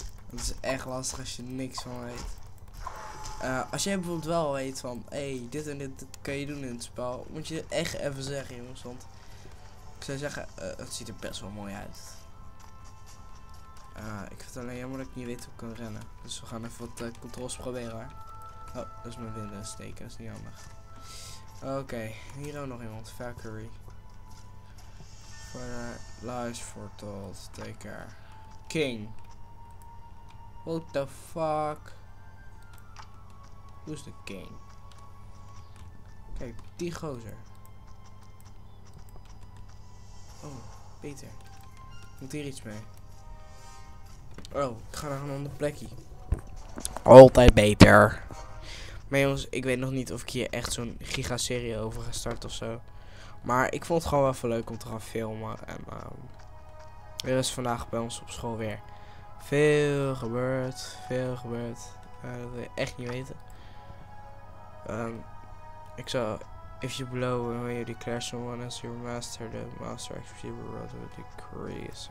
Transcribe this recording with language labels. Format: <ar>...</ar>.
<nl>Het is echt lastig als je niks van weet. Als jij bijvoorbeeld wel weet van, hey, dit en dit kan je doen in het spel, moet je echt even zeggen, jongens, want ik zou zeggen, het ziet er best wel mooi uit. Ik vind het alleen jammer dat ik niet weet hoe ik kan rennen, dus we gaan even wat controls proberen, hoor. Oh, dat is mijn winden steken, dat is niet handig. Oké, hier ook nog iemand, Valkyrie.</nl> <en>Further lies foretold, take care.</en> <nl>King.</nl> <en>What the fuck?</en> <nl>Hoe is de king? Kijk, die gozer. Oh, Peter. Moet hier iets mee? Oh, ik ga naar een ander plekje. Altijd beter. Maar jongens, ik weet nog niet of ik hier echt zo'n gigaserie over ga starten ofzo. Maar ik vond het gewoon wel even leuk om te gaan filmen. En er is vandaag bij ons op school weer veel gebeurd. Dat wil je echt niet weten. Ik zou...</nl> <en>If you blow away the Clash of One as your master, the master actually will decrease.</en>